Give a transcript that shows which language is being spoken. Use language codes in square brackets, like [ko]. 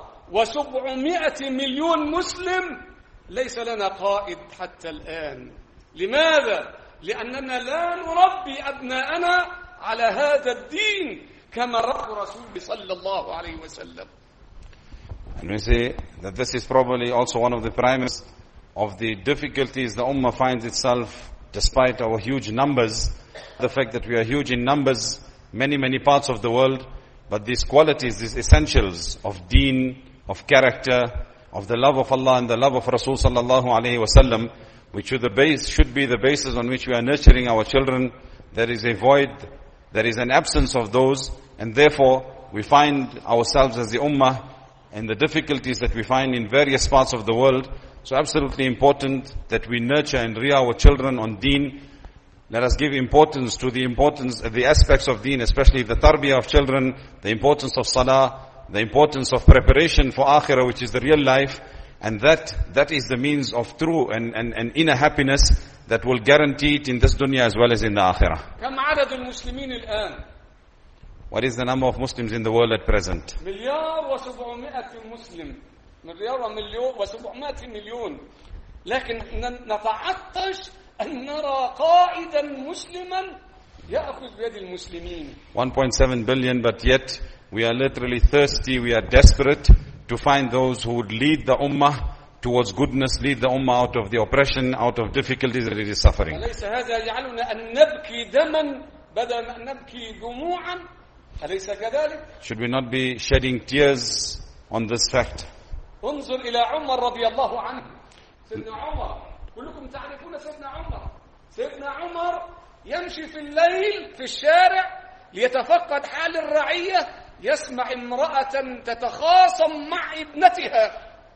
[ar] 1,700,000,000 مسلم ليس لنا قائد حتى الآن. لماذا؟ لأننا لا نربي أبناءنا على هذا الدين كما ربى رسول صلى الله عليه وسلم. [en] And we say that this is probably also one of the primest of the difficulties the Ummah finds itself, despite our huge numbers, the fact that we are huge in numbers, many, many parts of the world. But these qualities, these essentials of deen, of character, of the love of Allah and the love of Rasul sallallahu alayhi wa sallam, which should be the basis on which we are nurturing our children, there is a void, there is an absence of those, and therefore we find ourselves as the ummah and the difficulties that we find in various parts of the world. So absolutely important that we nurture and rear our children on deen. Let us give importance to the importance, the aspects of deen, especially the tarbiyah of children, the importance of salah, the importance of preparation for akhirah, which is the real life, and that is the means of true and inner happiness that will guarantee it in this dunya as well as in the akhirah. [ar] كم عدد المسلمين الآن؟ [en] What is the number of Muslims in the world at present? [ar] 1,700,000,000 لكن نتعطش أن نرى قائدا مسلما يأخذ بيد المسلمين. [en] 1.7 billion, but yet we are literally thirsty, we are desperate to find those who would lead the ummah towards goodness, lead the ummah out of the oppression, out of difficulties that it is suffering. [ar] أليس هذا يجعلنا أن نبكي دما بدل أن نبكي دموعا؟ أليس كذلك؟ [en] Should we not be shedding tears on this fact? [ar] انظر إلى عمر رضي الله عنه. سيدنا عمر. كلكم تعرفون سيدنا عمر. سيدنا عمر يمشي في الليل في الشارع ليتفقد حال الرعية، يسمع امرأة تتخاصم مع ابنتها